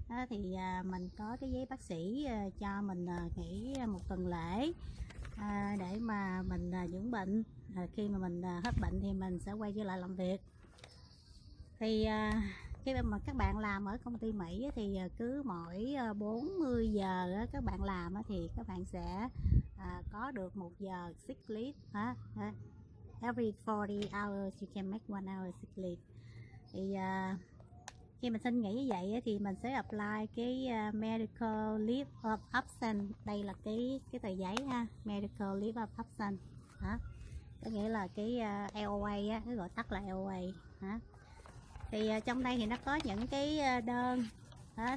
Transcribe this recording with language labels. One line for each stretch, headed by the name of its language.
Vietnamese: Thì mình có cái giấy bác sĩ cho mình nghỉ một tuần lễ để mà mình dưỡng bệnh, khi mà mình hết bệnh thì mình sẽ quay trở lại làm việc. Thì khi mà các bạn làm ở công ty Mỹ thì cứ mỗi 40 giờ các bạn làm thì các bạn sẽ có được 1 giờ sick leave.
English: Every 40 hours you can make 1 hour sick leave.
Vietnamese: Thì khi mình xin nghỉ như vậy thì mình sẽ apply cái
English: medical leave of absence.
Vietnamese: Đây là cái tờ giấy ha,
English: medical leave of absence.
Vietnamese: Có nghĩa là cái LOA, nó gọi tắt là LOA. Thì trong đây thì nó có những cái đơn đó.